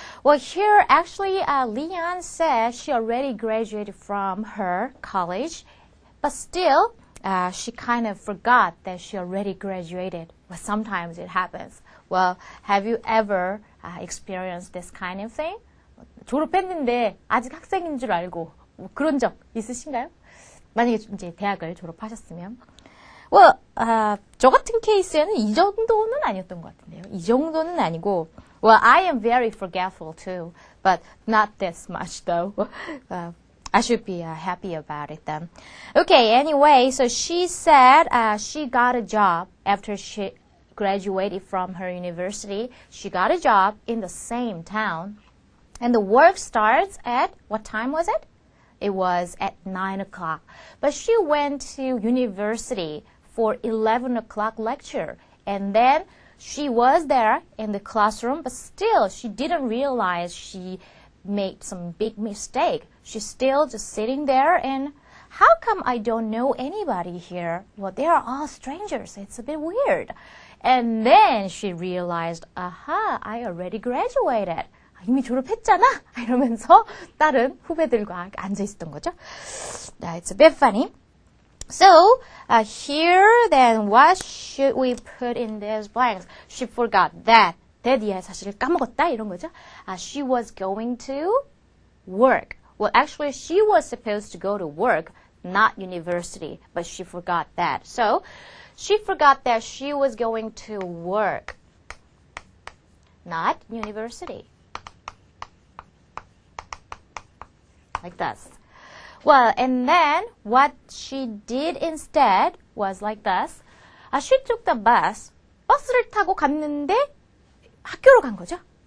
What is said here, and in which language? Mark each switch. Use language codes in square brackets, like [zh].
[en] Well, here actually Leon says she already graduated from her college, but still she kind of forgot that she already graduated. Well, sometimes it happens. Well, have you ever experienced this kind of thing? [ko] 졸업했는데 아직 학생인 줄 알고 뭐 그런 적 있으신가요? 만약에 이제 대학을 졸업하셨으면 Well, 저 같은 케이스에는 이 정도는 아니었던 것 같은데요. 이 정도는 아니고 [en] Well, I am very forgetful too, but not this much though. I should be happy about it then. Okay, anyway, so she said she got a job after she graduated from her university. She got a job in the same town. And the work starts at, what time was it? It was at 9 o'clock. But she went to university for 11 o'clock lecture. And then she was there in the classroom, but still she didn't realize she made some big mistake. She's still just sitting there and, how come I don't know anybody here? Well, they are all strangers. It's a bit weird. And then she realized, aha, I already graduated. [ko] 이미 졸업했잖아? 이러면서 다른 후배들과 앉아있었던 거죠. [en] It's a bit funny. So, here then, what should we put in these blanks? She forgot that. [ko] 대디의 사실을 까먹었다, 이런 거죠. [en] She was going to work. Well, actually, she was supposed to go to work, not university. But she forgot that. So, she forgot that she was going to work, not university. Like this. Well, and then what she did instead was like this. She took the bus. [ko] 버스를 타고 갔는데 학교로 간 거죠?